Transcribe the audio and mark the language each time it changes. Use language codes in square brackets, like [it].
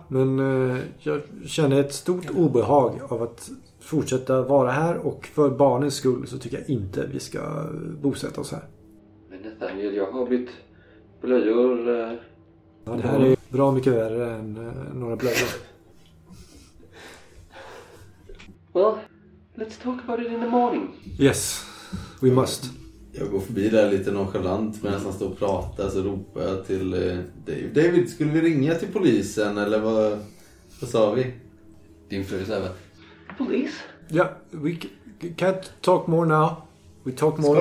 [sv] Men jag känner ett stort obehag av att fortsätta vara här. Och för barnens skull så tycker jag inte vi ska bosätta oss här. Men Nathaniel, jag har bytt blöjor... Ja, det här är bra mycket värre än några blöjor. [en] Well, let's talk about it in the morning. Yes, we must. [sv] Jag går förbi där lite nonchalant medan han står och pratar, så ropar jag till David. David, skulle vi ringa till polisen eller vad sa vi? Din fru säger väl? [en] Police? Yeah, we can't talk more now. We talk more later.